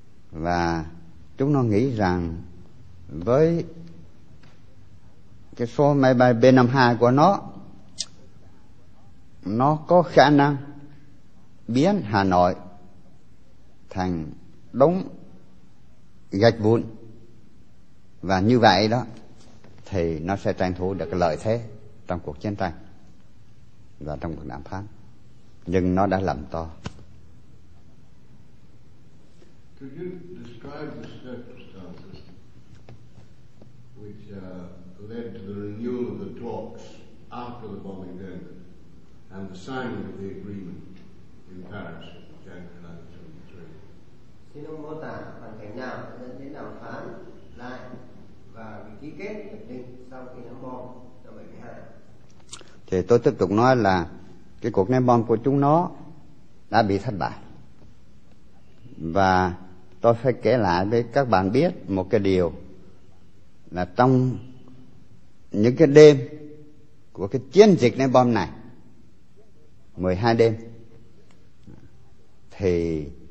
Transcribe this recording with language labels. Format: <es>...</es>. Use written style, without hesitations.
<vi>Và chúng nó nghĩ rằng với cái số máy bay B-52 của nó có khả năng biến Hà Nội thành đống gạch vụn, và như vậy đó thì nó sẽ tranh thủ được lợi thế trong cuộc chiến tranh và trong cuộc đàm phán. Nhưng nó đã lầm to.</vi> <en>Could you describe the circumstances which led to the renewal of the talks after the bombing then and the signing of the agreement in Paris in January 1973?</en> <vi>Xin ông mô tả hoàn cảnh nào dẫn đến đàm phán lại và bị ký kết hiệp định sau khi ném bom năm 1972? Thì tôi tiếp tục nói là cái cuộc ném bom của chúng nó đã bị thất bại. Và tôi phải kể lại với các bạn biết một cái điều là trong những cái đêm của cái chiến dịch ném bom này, 12 đêm, thì</vi>